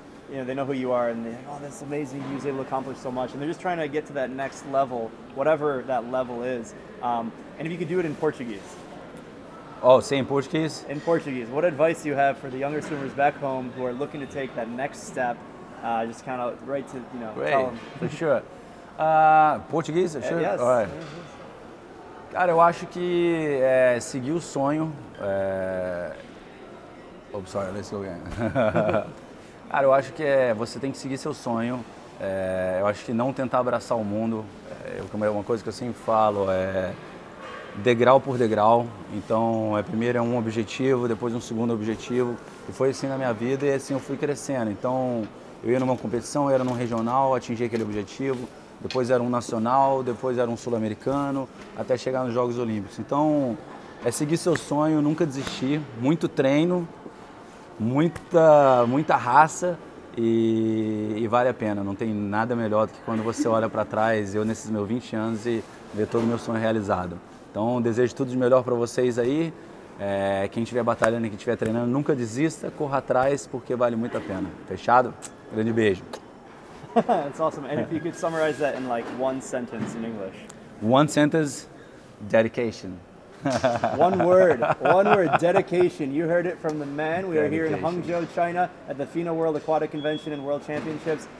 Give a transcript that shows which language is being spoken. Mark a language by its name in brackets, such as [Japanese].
[English] you know, they know who you are and they're like, oh, that's amazing, he was able to accomplish so much. And they're just trying to get to that next level, whatever that level is. And if you could do it in Portuguese. Oh, say in Portuguese? In Portuguese. What advice do you have for the younger swimmers back home who are looking to take that next step, just kind of right to, you know, great. Tell them. For sure. Portuguese? Sure. Yes. All right. [Portuguese] Cara, eu acho que é, seguir o sonho. É... [English] Oh, sorry, let's go again. [Portuguese] Cara, eu acho que é, você tem que seguir seu sonho. É, eu acho que não tentar abraçar o mundo. É, eu, uma coisa que eu sempre falo é degrau por degrau. Então, é, primeiro é um objetivo, depois um segundo objetivo. E foi assim na minha vida e assim eu fui crescendo. Então, eu ia numa competição, eu era num regional, atingi aquele objetivo. Depois era um nacional, depois era um sul-americano, até chegar nos Jogos Olímpicos. Então, é seguir seu sonho, nunca desistir, muito treino, muita raça e vale a pena. Não tem nada melhor do que quando você olha para trás, eu nesses meus 20 anos, e ver todo o meu sonho realizado. Então, desejo tudo de melhor para vocês aí. É, quem estiver batalhando, quem estiver treinando, nunca desista, corra atrás, porque vale muito a pena. Fechado? Grande beijo. [English] That's awesome. And if you could summarize that in like one sentence in English. One sentence, dedication. One word, dedication. You heard it from the man. We dedication. Are here in Hangzhou, China at the Fina World Aquatic Convention and World Championships.